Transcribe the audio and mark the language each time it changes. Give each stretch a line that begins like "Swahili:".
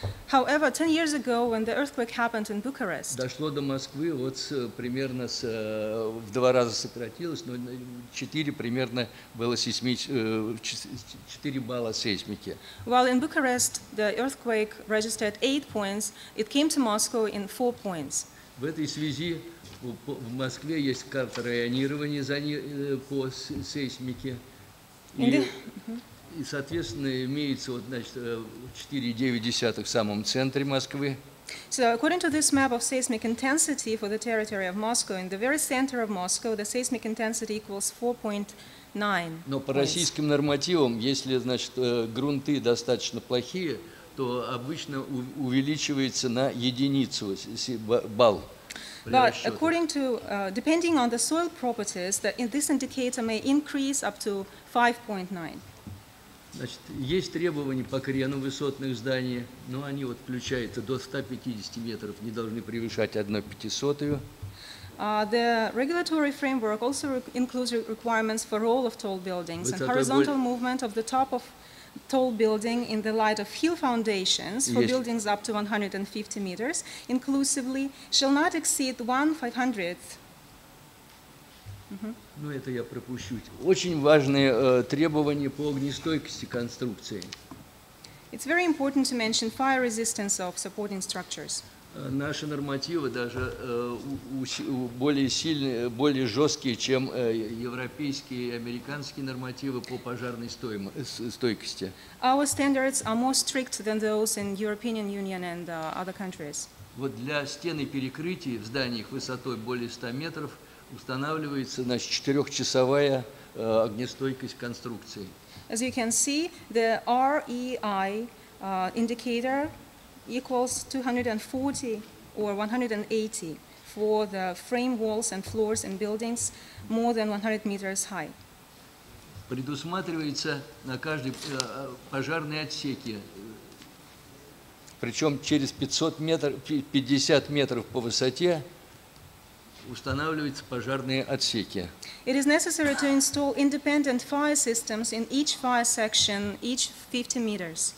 English: However, 10 years ago, when the earthquake happened in Bucharest,
Russian: дошло до Москвы, вот примерно с, в два раза сократилось, но 4 примерно было четыре балла сейсмики.
English: While in Bucharest the earthquake registered 8 points, it came to Moscow in 4 points.
Russian: В этой связи в Москве есть карта районирования по сейсмике. И, соответственно, имеется вот, значит, 4,9 в самом центре Москвы.
English: So, according to this map of seismic intensity for the territory of Moscow, in the very center of Moscow, the seismic intensity equals 4.9.
Russian: Но по российским нормативам, если, значит, грунты достаточно плохие, то обычно увеличивается на единицу балл.
English: But according to, depending on the soil properties, this indicator may increase up to 5.9.
Russian: Значит, есть требования по крену высотных зданий, но они вот включаются до 150 метров, не должны превышать 1/500.
English: The regulatory framework also includes requirements for all of tall buildings and horizontal movement of the top of tall building in the light of hill foundations for buildings up to 150 meters, inclusively, shall not exceed 1/500.
Russian: Ну, это я пропущу. Очень важные требования по огнестойкости конструкции.
English: It's very important to mention fire resistance of supporting structures.
Russian: Наши нормативы даже более сильные, более жесткие, чем европейские и американские нормативы по пожарной стойкости.
English: Our standards are more strict than those in European Union and other countries.
Russian: Вот для стен и перекрытий в зданиях высотой более 100 метров устанавливается, значит, четырехчасовая огнестойкость конструкции.
English: As you can see, the REI indicator equals 240 or 180 for the frame walls and floors in buildings more than 100 meters high.
Russian: Предусматривается на каждой пожарной отсеке, причем через 500 метров, 50 метров по высоте, устанавливаются пожарные отсеки.
English: It is necessary to install independent fire systems in each fire section, each 50 meters.